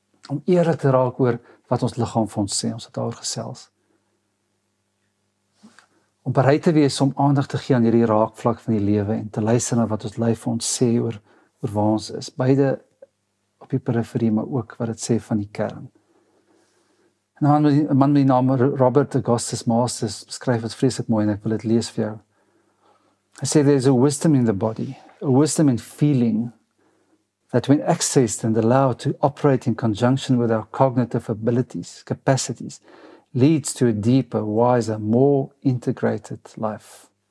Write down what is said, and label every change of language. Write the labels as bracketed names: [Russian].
[Afrikaans] Om eerlik te raak oor wat ons liggaam vir ons sê, ons het daaroor gesels. Om bereid te wees om aandag te gee aan hierdie raakvlak van die lewe en te luister na wat ons lyf vir ons sê oor waar ons is. Beide op die periferie, maar ook wat dit sê van die kern. Een man met die naam Robert Augustus Masters beskryf het vreselijk mooi en ek wil het lees vir jou. Hy sê, [English] there is a wisdom in the body, a wisdom in feeling, that when accessed and allowed to operate in conjunction with our cognitive abilities, capacities, leads to a deeper, wiser, more integrated life.